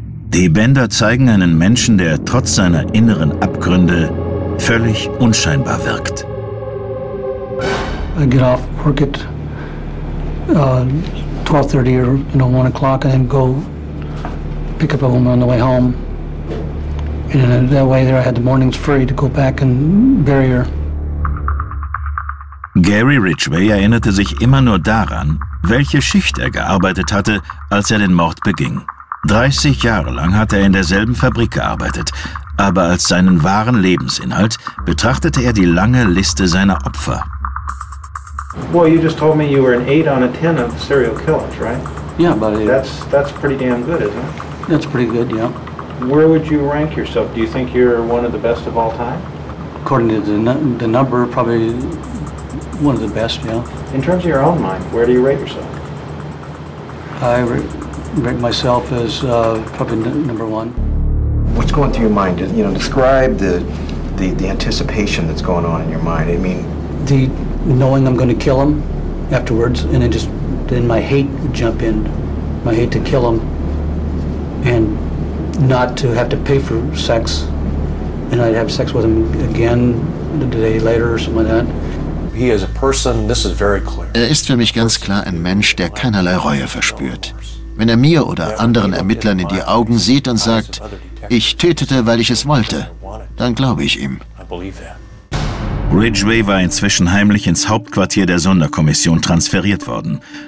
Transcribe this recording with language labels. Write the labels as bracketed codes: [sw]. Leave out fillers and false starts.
[de] Die Bänder zeigen einen Menschen, der trotz seiner inneren Abgründe völlig unscheinbar wirkt. [en] I get off work at 12:30 or 1 o'clock, and then go pick up a woman on the way home. And in that way there I had the mornings free to go back and bury her. [de] Gary Ridgway erinnerte sich immer nur daran, welche Schicht er gearbeitet hatte, als er den Mord beging. 30 Jahre lang hat er in derselben Fabrik gearbeitet. Aber als seinen wahren Lebensinhalt betrachtete er die lange Liste seiner Opfer. [en] Well, you just told me you were an 8 on a 10 of serial killers, right? Yeah, but that's pretty damn good, isn't it? That's pretty good, yeah. Where would you rank yourself? Do you think you're one of the best of all time? According to the number, probably one of the best, yeah. In terms of your own mind, where do you rate yourself? I rate myself as probably number one. What's going through your mind? You know, describe the anticipation that's going on in your mind. I mean, the knowing I'm going to kill him afterwards, and then just then my hate would jump in, my hate to kill him, and not to have to pay for sex, and I'd have sex with him again the day later or something like that. He is a person. This is very clear. [de] Er ist für mich ganz klar ein Mensch, der keinerlei Reue verspürt. Wenn er mir oder anderen Ermittlern in die Augen sieht und sagt, ich tötete, weil ich es wollte, dann glaube ich ihm. Ridgway war inzwischen heimlich ins Hauptquartier der Sonderkommission transferiert worden.